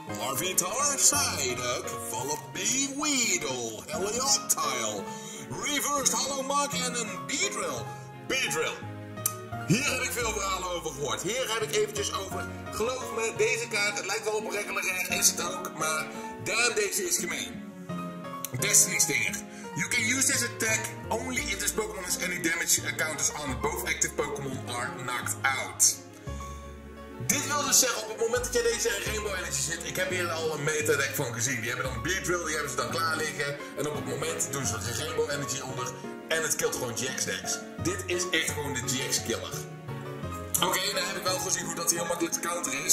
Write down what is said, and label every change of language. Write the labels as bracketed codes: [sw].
[nl] Larvitar, Psyduck, Vullaby, Weedle, Helioptile, Reversed Hollow Mug en een Beedrill. Beedrill. Hier heb ik veel verhalen over gehoord. Hier heb ik eventjes over. Geloof me, deze kaart, het lijkt wel op regular rare, is het ook, maar damn, deze is gemeen. Destiny Stinger. [en] You can use this attack only if this Pokémon has any damage counters on. Both active Pokémon are knocked out. [nl] Dit wil dus zeggen, op het moment dat je deze Rainbow Energy zit, ik heb hier al een meta-deck van gezien. Die hebben dan een Beedrill, die hebben ze dan klaar liggen. En op het moment doen ze er Rainbow Energy onder en het killt gewoon GX-decks. Dit is echt gewoon de GX-killer. Oké, dan heb ik wel gezien hoe dat heel makkelijk te counteren is.